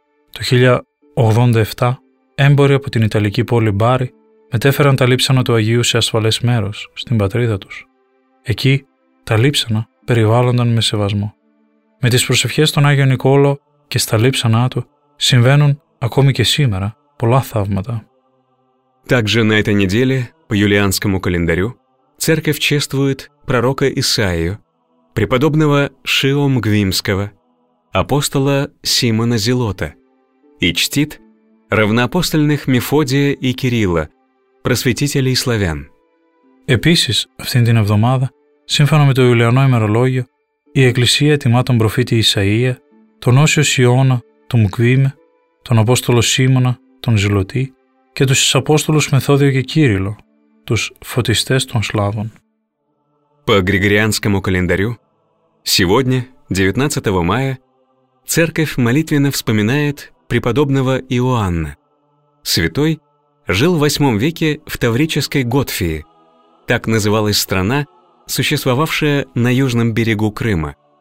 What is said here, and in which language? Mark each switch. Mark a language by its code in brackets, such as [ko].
[el] Το 1087, έμποροι από την ιταλική πόλη Μπάρι μετέφεραν τα λείψανα του Αγίου σε ασφαλές μέρος, στην πατρίδα τους. Εκεί τα λείψανα περιβάλλονταν με σεβασμό. Με τις προσευχές των Άγιο Νικόλο και στα λείψανά του συμβαίνουν ακόμη και σήμερα πολλά θαύματα. [ru] Также на этой неделе по юлианскому календарю церковь чествует пророка Исаию, преподобного Шиом Гвимского, апостола Симона Зелота и чтит равноапостольных Мефодия и Кирилла, просветителей славян. [el] Επίσης, αυτήν την εβδομάδα, σύμφωνα με το Ιουλιανό ημερολόγιο, η Εκκλησία τιμά τον προφήτη Ισαΐα, τον Όσιο Σιώνα, τον Μουκβίμε, τον Απόστολο Σίμωνα, τον Ζηλωτή και τους Απόστολους Μεθόδιο και Κύριλο, τους φωτιστές των Σλάβων. [ru] По Григорианскому календарю, сегодня, 19 мая, церковь молитвенно вспоминает преподобного Иоанна. Святой жил в 8 веке в Таврической Готфии, так называлась страна, существовавшая на южном берегу Крыма.